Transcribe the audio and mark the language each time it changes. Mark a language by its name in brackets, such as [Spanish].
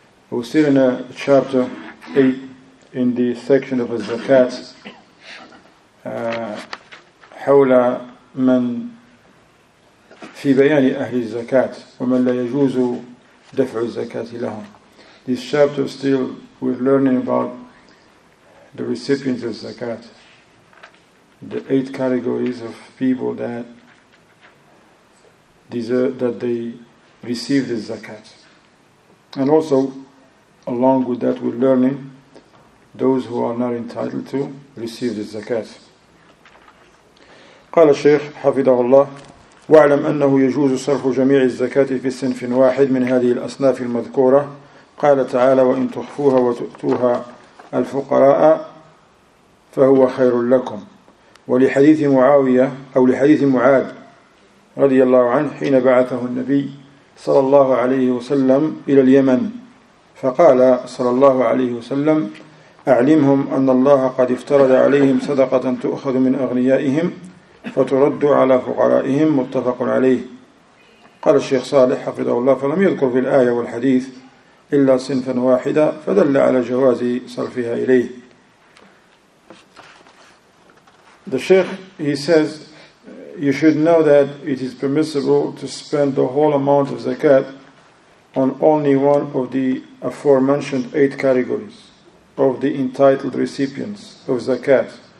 [English] We're still in chapter 8 in the section of Al-Zakat [Arabic] حول من في بيان أهل الزكاة ومن لا يجوز دفع الزكاة لهم. [English] This chapter still we're learning about the recipients of zakat, the eight categories of people that deserve that they receive the zakat, and also along with that we're learning those who are not entitled to receive the zakat. [Arabic] قال الشيخ حفظه الله واعلم أنه يجوز صرف جميع الزكاة في صنف واحد من هذه الأصناف المذكورة. قال تعالى وإن تخفوها وتؤتوها الفقراء فهو خير لكم. ولحديث معاوية أو لحديث معاذ رضي الله عنه حين بعثه النبي صلى الله عليه وسلم إلى اليمن فقال صلى الله عليه وسلم أعلمهم أن الله قد افترض عليهم صدقة تؤخذ من أغنيائهم فترد على فقرائهم. متفق عليه. قال الشيخ صالح حفظه الله فلم يذكر في الآية والحديث إلا صنفا واحدا فدل على جواز صرفها إليه. [English] The Sheikh, he says, you should know that it is permissible to spend the whole amount of zakat on only one of the aforementioned eight categories of the entitled recipients of zakat.